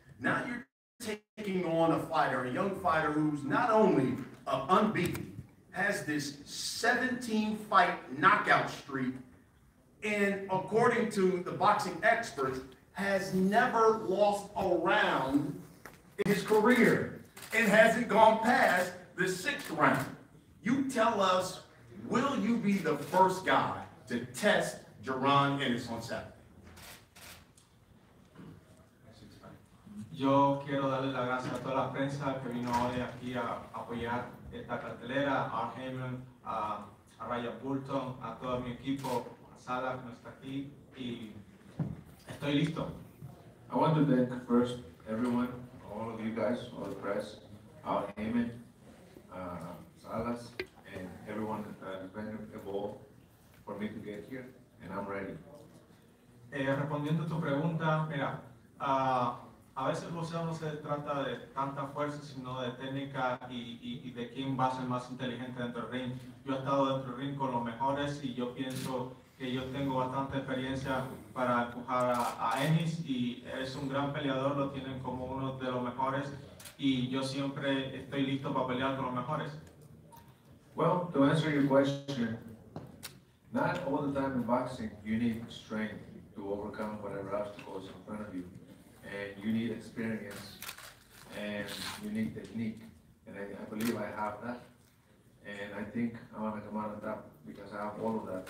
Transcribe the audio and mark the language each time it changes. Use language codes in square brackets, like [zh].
[en] Now you're taking on a fighter, a young fighter who's not only unbeaten, has this 17-fight knockout streak, and according to the boxing experts, has never lost a round in his career and hasn't gone past the 6th round. You tell us, will you be the first guy to test Jerron Ennis on Saturday? [es] Yo quiero darle la gracias a toda la prensa que vino hoy aquí a apoyar esta cartelera, a Art Hamlin, a Ryan Bulton, a todo mi equipo, a Sala, que no está aquí, y estoy listo. I want to thank first everyone, all of you guys, all the press, Art Hamlin, Salas, and everyone that's been involved for me to get here, and I'm ready. Respondiendo a tu pregunta, mira, a veces el boxeo no se trata de tanta fuerza, sino de técnica y de quién va a ser más inteligente dentro del ring. Yo he estado dentro del ring con los mejores y yo pienso que yo tengo bastante experiencia para empujar a Ennis, y es un gran peleador, lo tienen como uno de los mejores y yo siempre estoy listo para pelear con los mejores. [en] Well, to answer your question, not all the time in boxing you need strength to overcome whatever obstacles in front of you. And you need experience, and you need technique. And I believe I have that. And I think I'm gonna come out on top because I have all of that.